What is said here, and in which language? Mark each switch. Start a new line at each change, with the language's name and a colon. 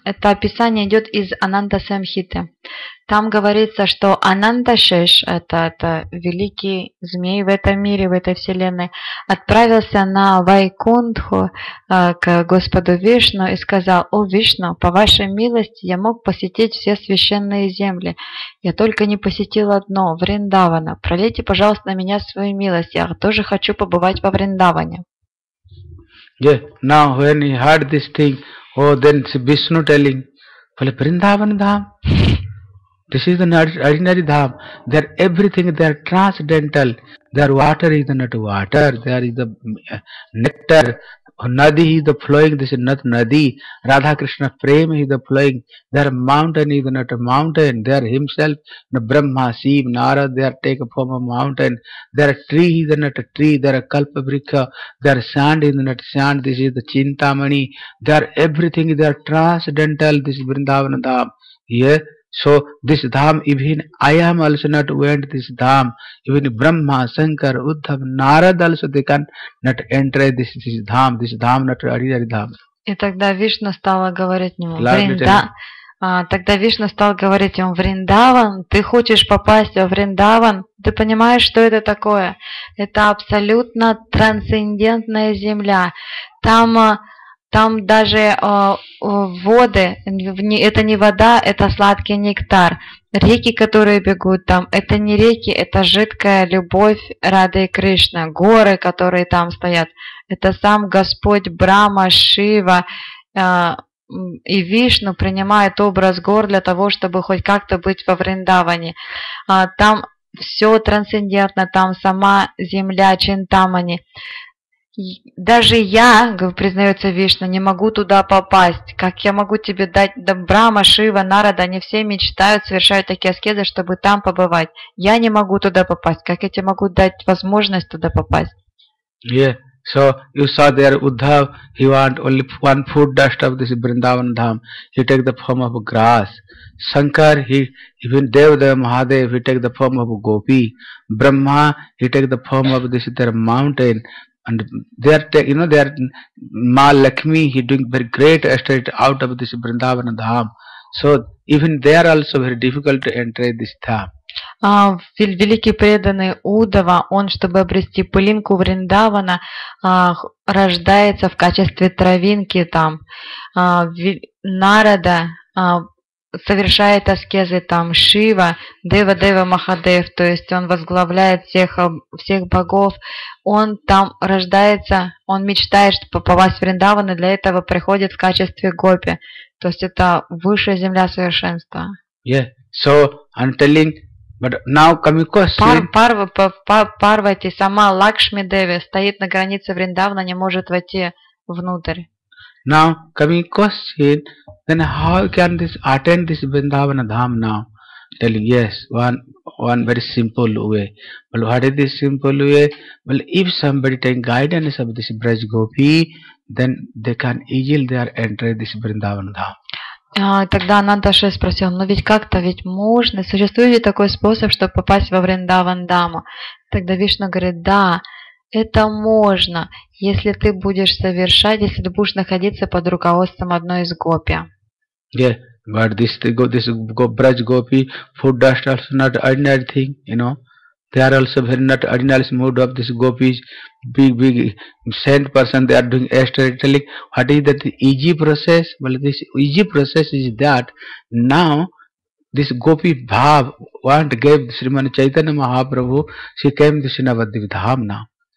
Russian: Это описание идет из Ананта Самхиты. Там говорится, что Анандашеш, это великий змей в этом мире, в этой вселенной, отправился на Вайкунтху к Господу Вишну и сказал: «О, Вишну, по вашей милости я мог посетить все священные земли. Я только не посетил одно – Вриндавана. Пролейте, пожалуйста, на меня свою милость. Я тоже хочу побывать во Вриндаване».
English: Yeah, now when he heard this thing, oh, then Vishnu telling, Vrindavan Dham, this is the ordinary Dham, there everything, there transcendental, there water is not water, there is the nectar, Nadi is the flowing, this is not Nadi, Radha Krishna frame is the flowing, there mountain is not a mountain, there himself, Brahma, Siv, Nara, there take a form of mountain, there tree is not a tree, there a kalpa vriksha, there sand is not sand, this is the Chintamani, there everything is there transcendental, this is Vrindavana Dham. Yeah? So this Dham, even I am also not went this Dham, even Brahma, Shankar, Uddhava, Narada also they can not enter this Dham, this Dham not ordinary Dham.
Russian: И тогда Вишна стала говорить ему, тогда Вишна стал говорить ему, Вриндаван, ты хочешь попасть во Вриндаван? Ты понимаешь, что это такое? Это абсолютно трансцендентная земля. Там даже воды, это не вода, это сладкий нектар. Реки, которые бегут там, это не реки, это жидкая любовь Рады и Кришны. Горы, которые там стоят, это сам Господь Брама, Шива и Вишну принимают образ гор для того, чтобы хоть как-то быть во Вриндаване. Там все трансцендентно, там сама земля Чинтамани. Даже я, признается Вишна, не могу туда попасть. Как я могу тебе дать Брама, Шива, Нарада? Они все мечтают, совершают такие аскезы, чтобы там побывать. Я не могу туда попасть. Как я тебе могу дать возможность туда попасть? Yeah.
English: So you saw there Uddhav, he want only one foot dust of this Vrindavan Dham. He take the form of grass. Shankar, he even Devadeva Mahadev, he take the form of gopi. Brahma, he take the form of this there mountain. And they are, you know, they are Ma Lakshmi, he doing very great estate out of this Vrindavana Dham. So even they are also very difficult to enter this Dham.
Russian: Великий преданный Удава, он, чтобы обрести пылинку Вриндавана, рождается в качестве травинки там. Нарада совершает аскезы там, Шива, Дева Махадев, то есть он возглавляет всех богов, он там рождается, он мечтает, чтобы попасть в Вриндаван, и для этого приходит в качестве гопи. То есть это высшая земля совершенства.
English: Yeah. So, I'm telling, but now coming question.
Russian: Парвати, сама Лакшми Деви стоит на границе Вриндавана, не может войти внутрь.
English: Now coming question, then how can this attend this Vrindavana Dham now? Telling yes, one very simple way. Well, what is this simple way? Well, if somebody take guidance of this Braj Gopi, then they can easily they are enter this Vrindavana Dham.
Russian: Тогда Анандаше спросил, ну ведь как-то, ведь можно, существует ли такой способ, чтобы попасть во Вриндаван Даму? Тогда Вишна говорит, да. Это можно, если ты будешь совершать, если ты будешь находиться под руководством одной из гопи.
English: Yeah, but this Braj Gopi, food dust also not ordinary thing, you know. They are also very not ordinary mood of this gopis, big saint person, they are doing storytelling. What is that easy process? Well, this easy process is that now, this Gopi Bhav want gave Sriman Chaitanya Mahaprabhu, she came to Navadvip Dham now.